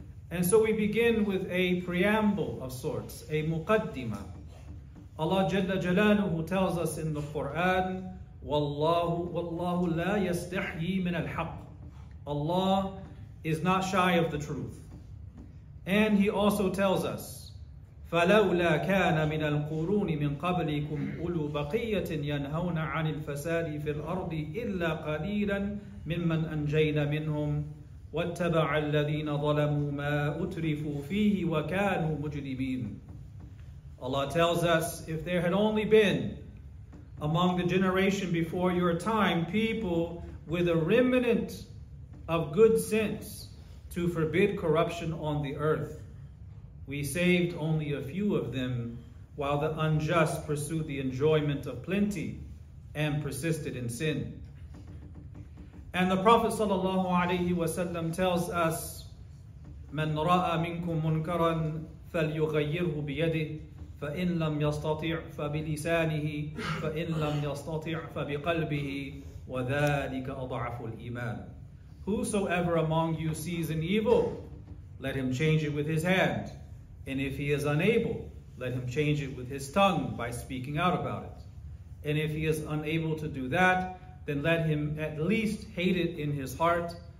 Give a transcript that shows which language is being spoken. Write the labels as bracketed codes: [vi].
[en] And so we begin with a preamble of sorts, a muqaddimah. Allah Jalla Jalaluhu tells us in the Quran, [ar] Wallahu la yastahyi min al-haq. [en] Allah is not shy of the truth. And he also tells us, فَلَوْلَا كَانَ مِنَ الْقُرُونِ مِنْ قَبْلِكُمْ أُولُو بَقِيَّةٍ يَنْهَوْنَ عَنِ الْفَسَادِ فِي الْأَرْضِ إِلَّا قَلِيلًا مِمَّنْ أَنْجَيْنَا مِنْهُمْ وَاتَّبَعَ الَّذِينَ ظَلَمُوا مَا أُتْرِفُوا فِيهِ وَكَانُوا مُجْرِمِينَ. Allah tells us, if there had only been among the generation before your time people with a remnant of good sense to forbid corruption on the earth, we saved only a few of them while the unjust pursued the enjoyment of plenty and persisted in sin. And the Prophet sallallahu alaihi wasallam tells us, [ar] من رأى منكم منكرا فليغيره بيده فإن لم يستطع فبلسانه فإن لم يستطع فبقلبه وذلك أضعف الإيمان. [en] Whosoever among you sees an evil, let him change it with his hand. And if he is unable, let him change it with his tongue by speaking out about it. And if he is unable to do that, then let him at least hate it in his heart.